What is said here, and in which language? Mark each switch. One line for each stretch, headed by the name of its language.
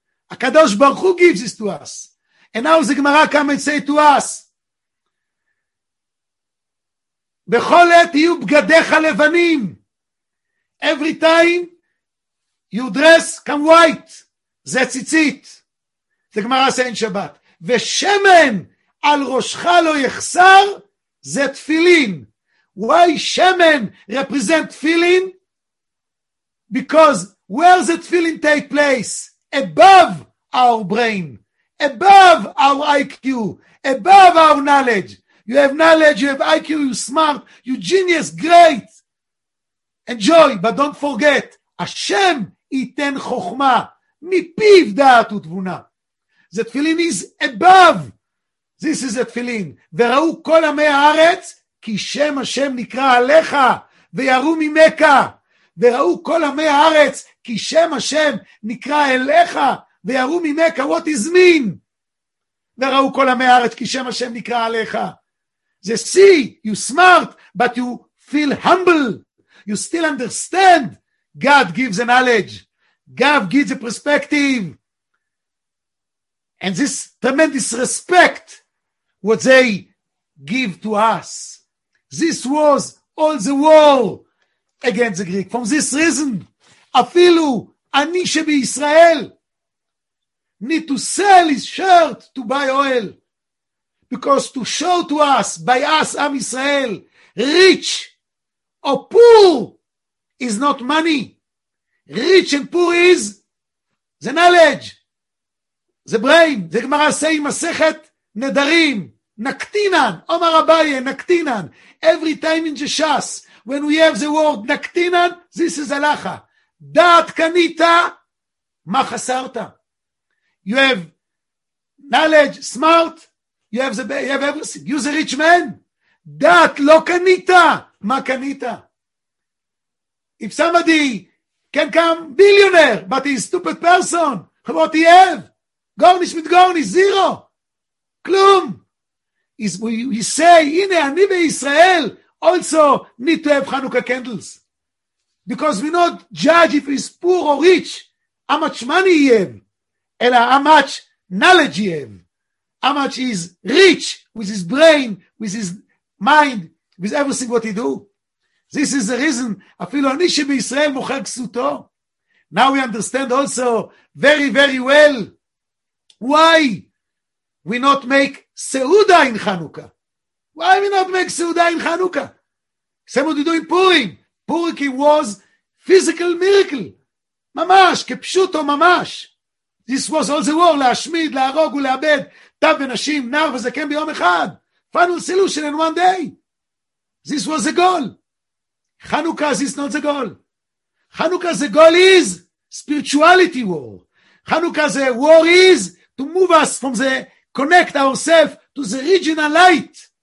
English: הקדוש ברוך הוא gives this to us. And now the Gemara come and say to us,
Hebrew: בכל עת יהיו בגדיך לבנים.
English: Every time you dress come white.
Hebrew: זה ציצית. זה גמרא שאין שבת. ושמן על ראשך לא יחסר, זה תפילין.
English: Why שמן represent תפילין? Because where the תפילין take place? Above our brain, above our IQ, above our knowledge. You have knowledge, you have IQ, you're smart, you're genius, great. Enjoy, but don't forget, Hashem
Hebrew: ייתן חוכמה, מפיו דעת ותבונה.
English: The tefillin is above. This is the tefillin.
Hebrew: וראו כל עמי הארץ, כי שם השם נקרא עליך, וירו ממכה. וראו כל עמי הארץ, כי שם השם נקרא אליך, ויראו ממכה,
English: what is mean?
Hebrew: וראו כל עמי הארץ, כי שם השם נקרא עליך. זה
English: see, you smart, but you feel humble. You still understand. God gives the knowledge. God gives the perspective. And this tremendous respect, what they give to us. This was all the war against the Greek. From this reason,
Hebrew: אפילו אני שבישראל,
English: need to sell his shirt to buy oil. Because to show to us, by us, Am Israel, rich or poor is not money. Rich and poor is the knowledge, the brain. The Gemara say,
Hebrew: מסכת נדרים, נקטינן, אומר אביי, נקטינן.
English: Every time in Jeshas, when we have the word נקטינן, this is הלכה.
Hebrew: דעת קנית, מה חסרת?
English: You have knowledge, smart, you have everything. You're the rich man. That
Hebrew: לא קנית, מה קנית?
English: If somebody can come billionaire, but he's a stupid person, what he have? Garnish with garnish, zero. Klum. He say,
Hebrew: הנה, אני בישראל,
English: also need to have Hanukkah candles. Because we not judge if he's poor or rich, how much money he has, and how much knowledge he has, how much he's rich with his brain, with his mind, with everything what he do. This is the reason,
Hebrew: אפילו אני שבישראל מוכר כסותו.
English: Now we understand also very, very well why we not make Seuda in Hanukkah. Why we not make Seuda in Hanukkah? Same what we do in Purim. Purim was physical miracle. Mamash, kepshuto mamash. This was all the war,
Hebrew: להשמיד, להרוג ולאבד, תב ונשים, נער וזקן ביום אחד.
English: Final solution in one day. This was the goal. Hanukkah is not the goal. Hanukkah, the goal is spirituality war. Hanukkah, the war is to move us from the, connect ourselves to the regional light.